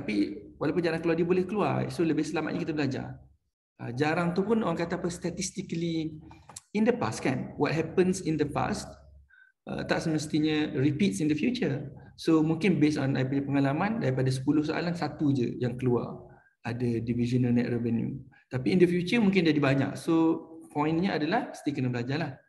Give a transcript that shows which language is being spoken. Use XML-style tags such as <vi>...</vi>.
<ms>Tapi walaupun jarang keluar, dia boleh keluar. So lebih selamatnya kita belajar. Jarang tu pun orang kata apa,</ms> <en>statistically in the past</en> <ms>kan.</ms> <en>What happens in the past</en> <ms>tak semestinya</ms> <en>repeats in the future.</en> <ms>So mungkin based on daripada pengalaman, daripada 10 soalan, satu je yang keluar ada divisional net revenue. Tapi</ms> <en>in the future</en> <ms>mungkin jadi banyak. So pointnya adalah mesti kena belajar lah.</ms>